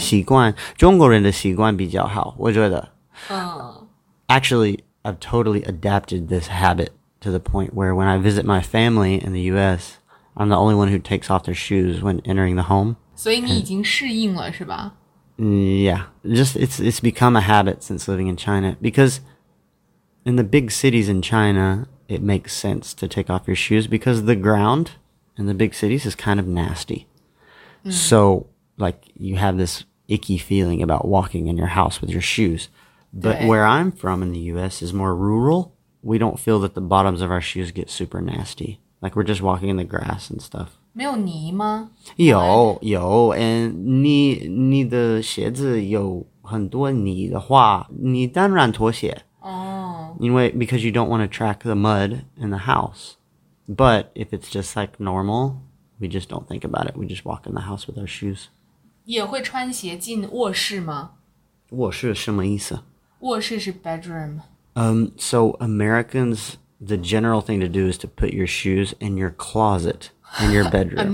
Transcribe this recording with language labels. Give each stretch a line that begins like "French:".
Chinese: 习惯，中国人的习惯比较好，我觉得。
English: Actually, I've totally adapted this habit to the point where when I visit my family in the US, I'm the only one who takes off their shoes when entering the home.
Chinese: 所以你已经适应了是吧？
English: Yeah, just it's become a habit since living in China. Because in the big cities in China, it makes sense to take off your shoes because the ground in the big cities is kind of nasty. So, like, you have this icky feeling about walking in your house with your shoes. But where I'm from in the US is more rural. We don't feel that the bottoms of our shoes get super nasty. Like, we're just walking in the grass and stuff.
Chinese: 没有泥吗？有，有。
English: And
Chinese: 你的鞋子有很多泥的话，你当然脱鞋。因为
English: because you don't want to track the mud in the house. But if it's just like normal... We just don't think about it. We just walk in the house with our shoes.
Chinese: 也会穿鞋进卧室吗？卧室什么意思？卧室是 bedroom.
English: So Americans, the general thing to do is to put your shoes in your closet, in your bedroom.